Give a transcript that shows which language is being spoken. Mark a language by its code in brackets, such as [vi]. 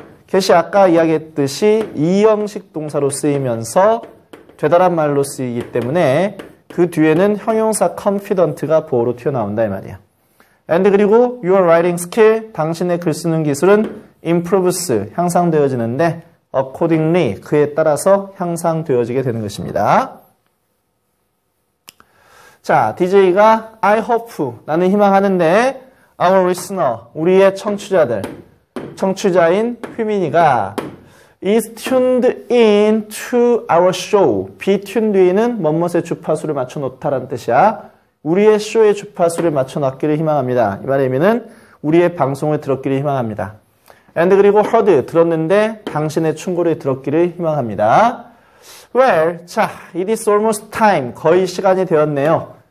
[ko] 게시 아까 이야기했듯이 2형식 동사로 쓰이면서 되다란 말로 쓰이기 때문에 그 뒤에는 형용사 confident가 보어로 튀어나온다 이 말이야. [en] And [ko] 그리고 [en] your writing skill, [ko] 당신의 글 쓰는 기술은 [en] improves, [ko] 향상되어지는데 [en] accordingly, [ko] 그에 따라서 향상되어지게 되는 것입니다. 자, DJ가 [en] I hope, [ko] 나는 희망하는데 [en] our listener, [ko] 우리의 청취자들, 청취자인 휘민이가 [en] is tuned in to our show. [ko] be tuned in은 뭣뭣의 주파수를 맞춰놓다라는 뜻이야. 우리의 쇼의 주파수를 맞춰놨기를 희망합니다. 이 말의 의미는 우리의 방송을 들었기를 희망합니다. [en] And [ko] 그리고 [en] heard, [ko] 들었는데 당신의 충고를 들었기를 희망합니다. [en] Well, [ko] 자, [en] it is almost time. [ko] 거의 시간이 되었네요.